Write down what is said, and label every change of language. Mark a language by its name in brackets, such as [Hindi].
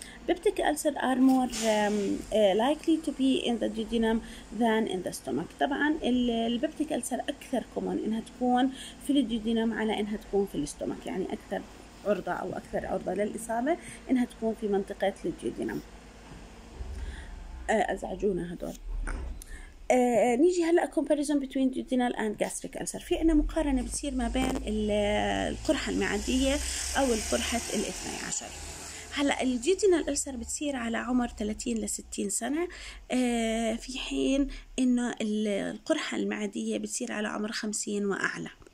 [English] Peptic ulcer are more likely to be in the duodenum than in the stomach. [Arabic] طبعا البيبتيك ألسر أكثر كومون إنها تكون في الديودينم على إنها تكون في الاستومك، يعني أكثر عرضة أو أكثر عرضة للإصابة إنها تكون في منطقة الديودينم. أزعجونا هدول. نيجي هلأ [English] comparison between duodenal and gastric ulcer. [Arabic] في عنا مقارنة بتصير ما بين القرحة المعدية أو القرحة الاثني عشر. هلا الديودينال ألسر بتصير على عمر 30 ل 60 سنه، في حين انه القرحه المعديه بتصير على عمر 50 واعلى.